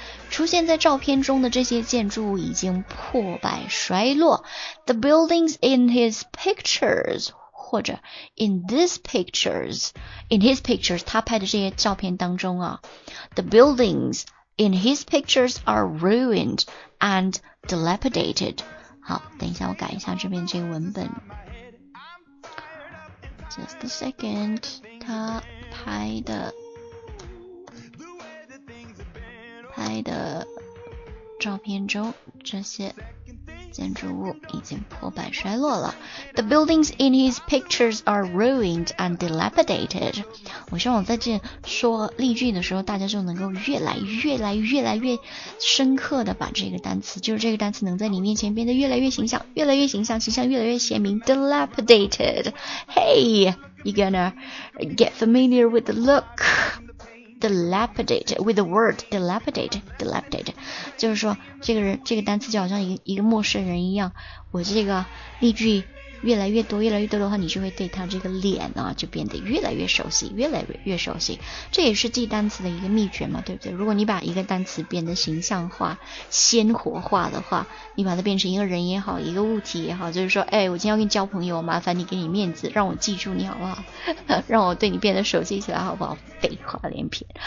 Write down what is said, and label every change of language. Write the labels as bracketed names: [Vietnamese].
[Chinese] 出现在照片中的这些建筑已经破败衰落。 [English] The buildings in his pictures, [Chinese] 或者 [English] in these pictures, in his pictures, [Chinese] 他拍的这些照片当中啊 [English] The buildings in his pictures are ruined and dilapidated. [Chinese] 好，等一下我改一下这边这个文本。 [English] Just a second, [Chinese] 他拍的照片中这些建筑物已经破败衰落了。 [English] The buildings in his pictures are ruined and dilapidated. [Chinese] 我希望我在这说例句的时候大家就能够越来越深刻的把这个单词，就是这个单词能在你面前变得越来越形象，形象越来越鲜明。 [English] Dilapidated. Hey, you're gonna get familiar with the look. Dilapidate, with the word dilapidate, dilapidate. [Chinese] 就是说这个单词就好像一个陌生人一样，我这个例句越来越多的话，你就会对他这个脸啊就变得越来越熟悉。这也是记单词的一个秘诀嘛，对不对？如果你把一个单词变得形象化鲜活化的话，你把它变成一个人也好，一个物体也好，就是说哎，我今天要跟你交朋友，麻烦你给你面子，让我记住你好不好，让我对你变得熟悉起来好不好。废话连篇。